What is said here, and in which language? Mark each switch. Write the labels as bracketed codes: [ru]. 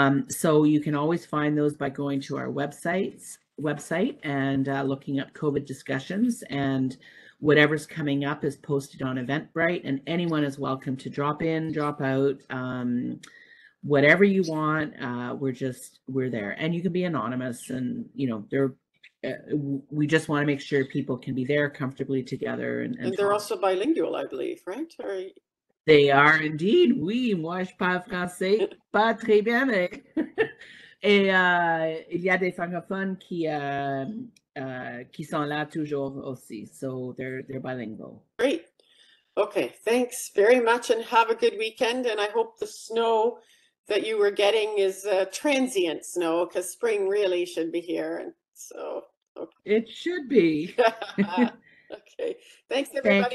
[en] So you can always find those by going to our website and looking up COVID discussions, and whatever's coming up is posted on Eventbrite, and anyone is welcome to drop in, drop out, whatever you want, we're there. And you can be anonymous, and you know, there, we just want to make sure people can be there comfortably together. And they're also bilingual, I believe, right? Or... They are indeed. [fr] Oui, moi je parle français pas très bien. Et il y a des francophones qui sont là toujours aussi. [en] So they're bilingual. Great. Okay, thanks very much and have a good weekend. And I hope the snow that you were getting is transient snow, because spring really should be here. And so, okay. It should be. Okay, thanks everybody.